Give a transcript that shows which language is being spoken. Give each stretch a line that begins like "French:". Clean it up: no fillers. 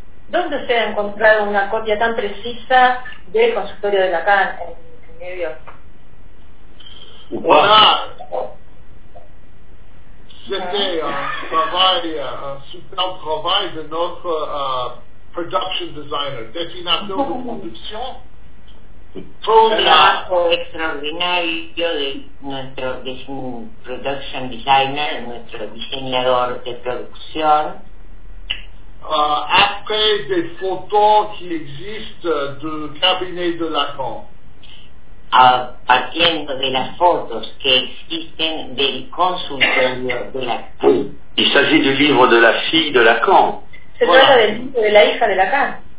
Spanish: Donde se ha encontrado una copia tan precisa del consultorio de Lacan en New York?
French: Voilà. C'était un super travail de notre production designer, Bettina de production.
Spanish: Trabajo extraordinario de nuestro production designer, nuestro diseñador de producción.
French: Après des photos qui existent du cabinet de Lacan.
Spanish: Partiendo de las fotos que existen del consultorio de Lacan.
French: Il s'agit du livre de la fille de Lacan.
Spanish: Se trata del libro de la hija de Lacan.